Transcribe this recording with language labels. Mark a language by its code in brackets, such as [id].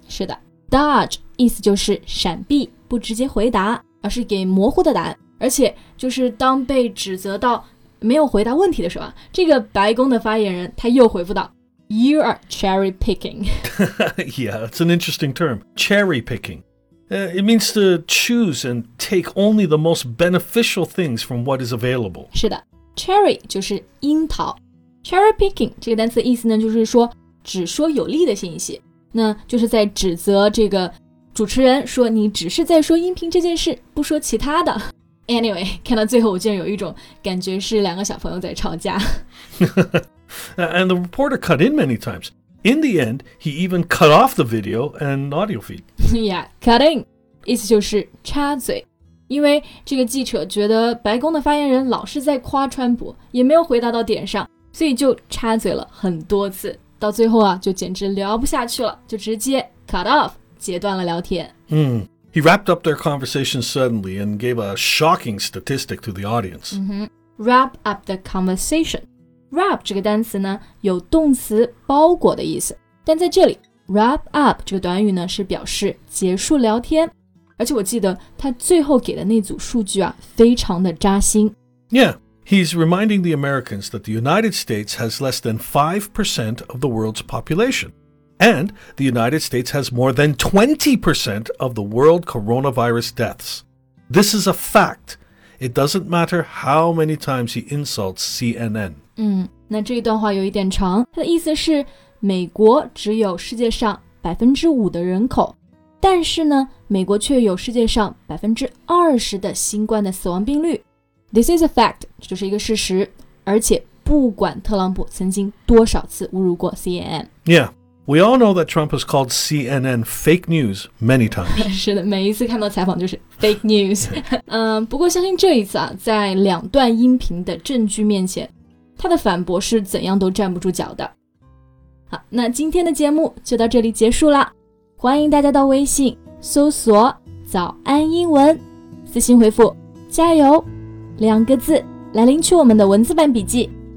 [zh] 是的 ,dodge 意思就是闪避,不直接回答,而是给模糊的答案。而且就是当被指责到没有回答问题的时候,这个白宫的发言人他又回复到 [en] You are cherry picking. Yeah, that's an interesting term. Cherry picking. It means to choose and take only the most beneficial things from what is available. [zh] 是的 ,cherry 就是樱桃。Cherry picking 这个单词的意思呢就是说只说有利的信息。那就是在指责这个主持人说你只是在说音频这件事不说其他的。 [en] Anyway, [zh] 看到最后我竟然有一种感觉是两个小朋友在吵架。 [en] And the reporter cut in many times. In the end, he even cut off the video and audio feed. Yeah, cutting. [zh] 意思就是插嘴。因为这个记者觉得白宫的发言人老是在夸川普，也没有回答到点上，所以就插嘴了很多次。到最后啊，就简直聊不下去了，就直接 cut off, 截断了聊天。 [en] He wrapped up their conversation suddenly and gave a shocking statistic to the audience. Wrap up the conversation. [zh] Wrap 这个单词呢有动词包裹的意思，但在这里 wrap up 这个短语呢是表示结束聊天，而且我记得他最后给的那组数据啊非常的扎心。 [en] Yeah, he's reminding the Americans that the United States has less than 5% of the world's population, and the United States has more than 20% of the world coronavirus deaths. This is a fact. It doesn't matter how many times he insults CNN. [zh] 那这一段话有一点长，它的意思是美国只有世界上 5% 的人口，但是呢美国却有世界上 20% 的新冠的死亡病率。 [en] This is a fact, [zh] 这就是一个事实，而且不管特朗普曾经多少次侮辱过 CNN. [en] Yeah, we all know that Trump has called CNN fake news many times. [zh] 是的，每一次看到采访就是 fake news. 不过相信这一次啊，在两段音频的证据面前，他的反驳是怎样都站不住脚的。好，那今天的节目就到这里结束了。欢迎大家到微信搜索早安英文，私信回复加油两个字来领取我们的文字版笔记。